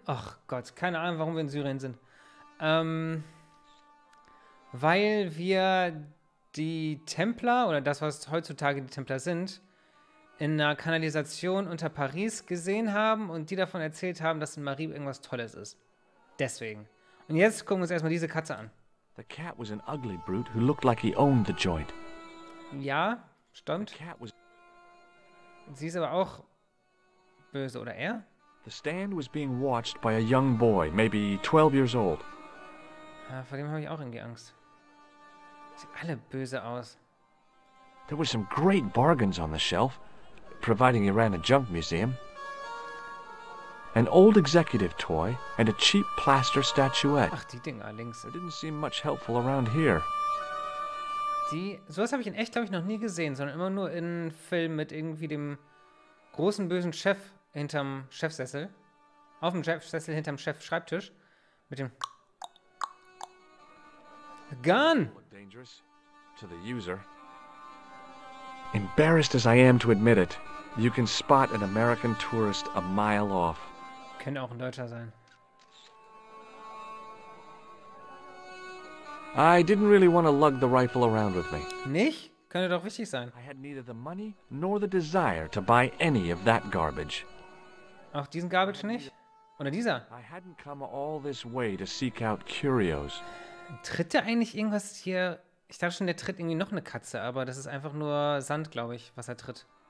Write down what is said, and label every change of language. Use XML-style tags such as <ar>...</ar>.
<de>Ach Gott, keine Ahnung, warum wir in Syrien sind. Weil wir die Templer, oder das, was heutzutage die Templer sind, in einer Kanalisation unter Paris gesehen haben und die davon erzählt haben, dass in Marib irgendwas Tolles ist. Deswegen. Und jetzt gucken wir uns erstmal diese Katze an.</de> <en>The cat was an ugly brute who looked like he owned the joint.</en> <de>Ja... Stimmt. Sie ist aber auch böse, oder er?</de> <en>The stand was being watched by a young boy, maybe 12 years old.</en> <de>Ja, vor dem habe ich auch irgendwie Angst. Sieht alle böse aus.</de> <en>There were some great bargains on the shelf, providing he ran a junk museum. An old executive toy and a cheap plaster statuette.</en> <de>Ach, die Dinger links.</de> <en>It didn't seem much helpful around here.</en> <de>Sowas habe ich in echt, glaube ich, noch nie gesehen, sondern immer nur in Filmen mit irgendwie dem großen bösen Chef hinterm Chefsessel. Auf dem Chefsessel hinterm Chef-Schreibtisch. Mit dem Gun!</de> <en>Dangerous to the user. Embarrassed as I am to admit it, you can spot an American tourist a mile off.</en> <de>Könnte auch ein Deutscher sein.</de> <en>I didn't really want to lug the rifle around with me.</en> <de>Nicht? Könnte doch wichtig sein.</de> <en>I had neither the money nor the desire to buy any of that garbage.</en> <de>Auch diesen Garbage nicht? Oder dieser?</de> <en>I hadn't come all this way to seek out curios.</en> <de>Tritt der eigentlich irgendwas hier? Ich dachte schon, der tritt irgendwie noch eine Katze, aber das ist einfach nur Sand, glaube ich, was er tritt.</de>